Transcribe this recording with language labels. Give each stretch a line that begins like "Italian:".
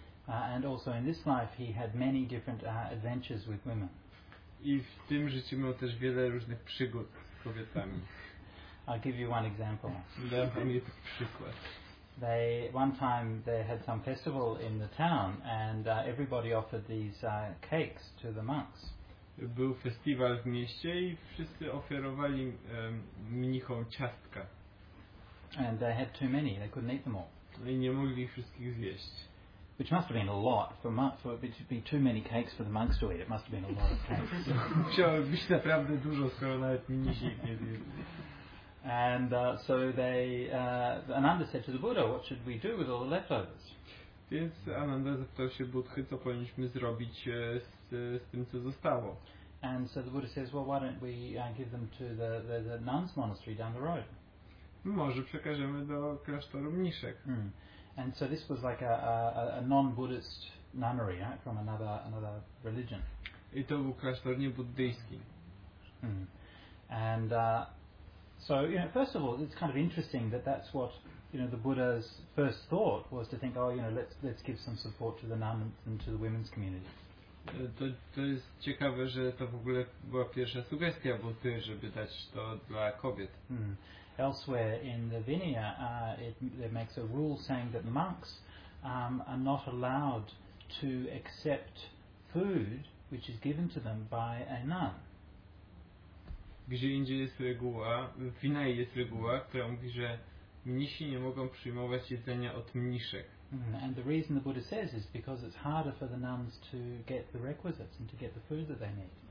English: And also in this life he had many different adventures with women.
Polish: I w tym życiu miał też wiele różnych przygód z kobietami.
English: I'll give you one example.
Polish: Dam wam jeden przykład.
English: One time they had some festival in the town and everybody offered these cakes to the monks.
Polish: był festiwal w mieście i wszyscy ofiarowali mnichom ciastka.
English: And they had too many, they couldn't eat them all.
Polish: I nie mogli ich wszystkich zjeść.
English: Which must have been a lot for it would be too many cakes for the monks to eat. It must have been a lot of cakes.
Polish: Musiało być naprawdę dużo, skoro nawet mnisi ich nie zjedli.
English: And so they Ananda said to the Buddha, what should we do with all the leftovers?
Polish: Więc Ananda zapytał się Buddhy, co powinniśmy zrobić z tym, co zostało.
English: And so the Buddha says, well, why don't we give them to the nuns' monastery down the road?
Polish: Może przekażemy do klasztoru mniszek. Mm.
English: And so this was like a non-Buddhist nunnery, right? From another religion.
Polish: I to był klasztor niebuddyjski. Mm.
English: And so, you know, first of all, it's kind of interesting that's what, you know, the Buddha's first thought was to think, oh, you know, let's give some support to the nuns and to the women's community.
Polish: To jest ciekawe, że to w ogóle była pierwsza sugestia Buddhy, żeby dać to dla kobiet. Mm.
English: Elsewhere in the Vinaya, it makes a rule saying that monks are not allowed to accept food which is given to them by a nun.
Polish: Gdzie indziej jest reguła, w Vinaya jest reguła, która mówi, że mnisi nie mogą przyjmować jedzenia od mniszek.
English: And the reason the Buddha says is because it's harder for the nuns to get the requisites and to get the food that they need.